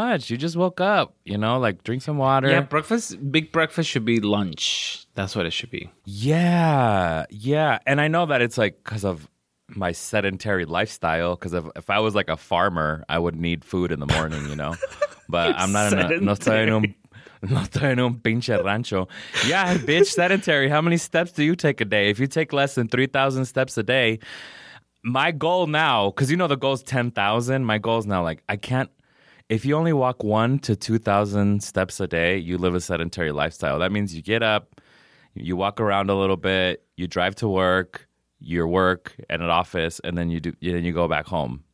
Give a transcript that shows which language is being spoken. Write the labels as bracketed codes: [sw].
[en] You just woke up, you know? Like, drink some water. Yeah, breakfast, big breakfast should be lunch. That's what it should be. Yeah. And I know that it's, like, because of my sedentary lifestyle. Because if I was, like, a farmer, I would need food in the morning, you know? But I'm not sedentary. [es] No estoy en un pinche rancho. [en] Yeah, bitch, sedentary. How many steps do you take a day? If you take less than 3,000 steps a day, my goal now, because you know the goal is 10,000. My goal is now, like, I can't. If you only walk 1,000 to 2,000 steps a day, you live a sedentary lifestyle. That means you get up, you walk around a little bit, you drive to work, your work, and an office, and then you go back home.